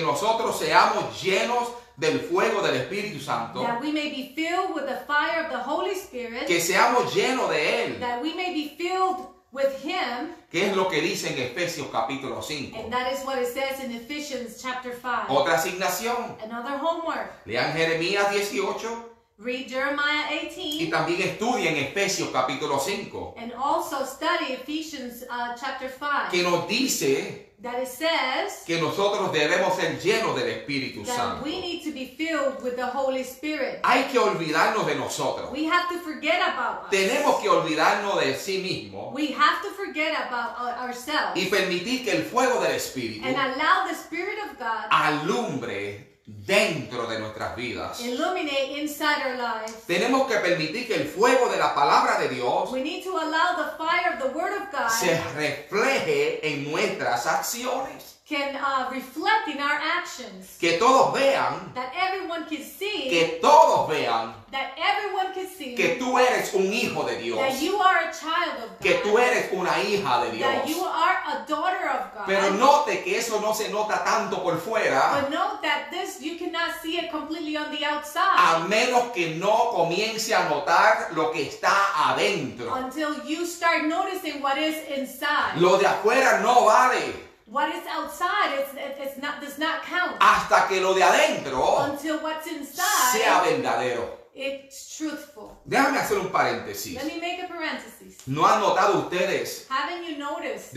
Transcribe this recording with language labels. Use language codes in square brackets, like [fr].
[es] nosotros seamos llenos del fuego del Espíritu Santo. [en] That we may be filled with the fire of the Holy Spirit. [es] Que seamos llenos de Él. [en] That we may be filled with him. [es] ¿Qué es lo que dice en Efesios capítulo 5? [en] And that is what it says in Ephesians chapter 5. [es] Otra asignación. [en] Another homework. [es] Lean Jeremías 18. [en] Read Jeremiah 18. [es] Y también estudien Efesios capítulo 5. [en] And also study Ephesians chapter 5. [es] Que nos dice, [en] that it says, [es] que nosotros debemos ser llenos del Espíritu Santo. [en] That we need to be filled with the Holy Spirit. [es] Hay que olvidarnos de nosotros. [en] We have to forget about us. [es] Tenemos que olvidarnos de sí mismo. [en] We have to forget about ourselves. [es] Y permitir que el fuego del Espíritu, [en] and allow the Spirit of God, [es] alumbre dentro de nuestras vidas. [en] Illuminate inside our lives. [es] Tenemos que permitir que el fuego de la palabra de Dios, [en] we need to allow the fire of the word of God, [es] se refleje en nuestras acciones. [en] Can reflect in our actions. [es] Que todos vean, [en] that everyone can see, [es] que todos vean, [en] that everyone can see, [es] que tú eres un hijo de Dios, [en] that you are a child of God, [es] que tú eres una hija de Dios, [en] that you are a daughter of God. [es] Pero note que eso no se nota tanto por fuera. [en] But note that this, you cannot see it completely on the outside. [es] A menos que no comience a notar lo que está adentro. [en] Until you start noticing what is inside. [es] Lo de afuera no vale. [en] What is outside, it's not, does not count. [es] Hasta que lo de adentro, [en] until what's inside, [es] sea verdadero. [en] It's truthful. [es] Déjame hacer un paréntesis. [en] Let me make a parenthesis. [es] ¿No han notado ustedes, [en] haven't you noticed,